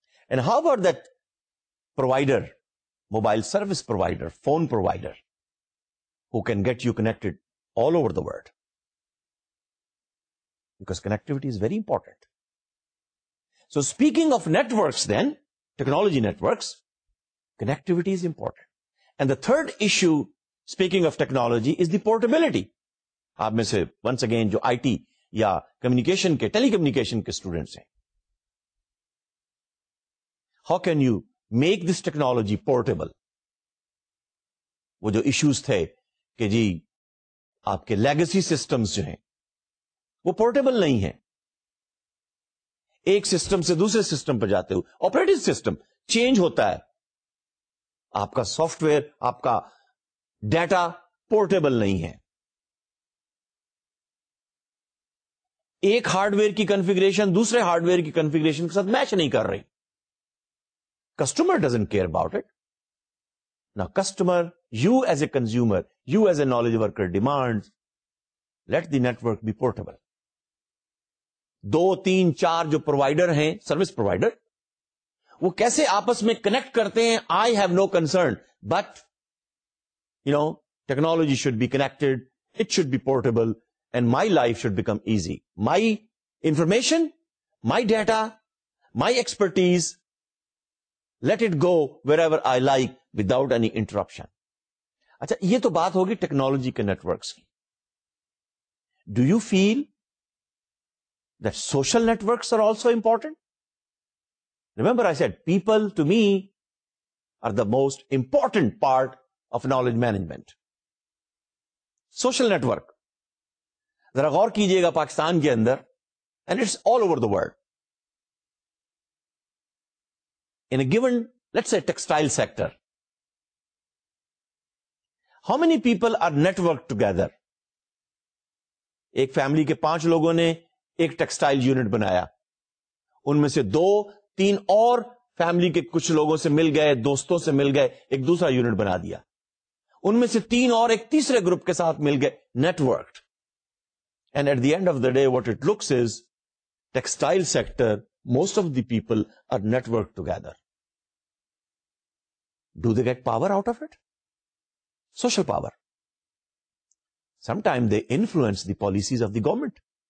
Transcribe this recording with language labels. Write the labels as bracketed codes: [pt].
[en] And how about that provider, mobile service provider, phone provider, who can get you connected all over the world? Because connectivity is very important. So speaking of networks then, technology networks, connectivity is important. And the third issue, speaking of technology, is the portability. [ur] آپ میں سے once again جو I T یا communication کے ٹیلی communication کے students ہیں, [en] How can you make this technology portable? [ur] وہ جو ایشوز تھے کہ جی آپ کے لیگسی سسٹمز جو ہیں وہ پورٹیبل نہیں ہیں, ایک سسٹم سے دوسرے سسٹم پہ جاتے ہوئے آپریٹنگ سسٹم چینج ہوتا ہے, آپ کا سافٹ ویئر, آپ کا ڈیٹا پورٹیبل نہیں ہے. ایک ہارڈ ویئر کی کنفیگریشن دوسرے ہارڈ ویئر کی کنفیگریشن کے ساتھ میچ نہیں کر رہی. [en] Customer doesn't care about it. نا customer, you as a consumer, you as a knowledge worker demand let the network be portable. [ur] دو تین چار جو پرووائڈر ہیں سروس پرووائڈر, وہ کیسے آپس میں کنیکٹ کرتے ہیں, [en] I have no concern, but you know technology should be connected, it should be portable. And my life should become easy. My information, my data, my expertise, let it go wherever I like without any interruption. [ur] Achha, yeh toh baat hogi technology ke networks ki. [en] Do you feel that social networks are also important? Remember I said, people to me are the most important part of knowledge management. Social network. [ur] ذرا غور کیجئے گا پاکستان کے اندر, [en] And it's all over the world, in a given let's a textile sector, how many people are network together? [ur] ایک family کے پانچ لوگوں نے ایک ٹیکسٹائل یونٹ بنایا, ان میں سے دو تین اور فیملی کے کچھ لوگوں سے مل گئے, دوستوں سے مل گئے, ایک دوسرا یونٹ بنا دیا, ان میں سے تین اور ایک تیسرے گروپ کے ساتھ مل گئے, نیٹورکڈ. [en] And at the end of the day, what it looks is, textile sector, most of the people are networked together. Do they get power out of it? Social power. Sometimes they influence the policies of the government.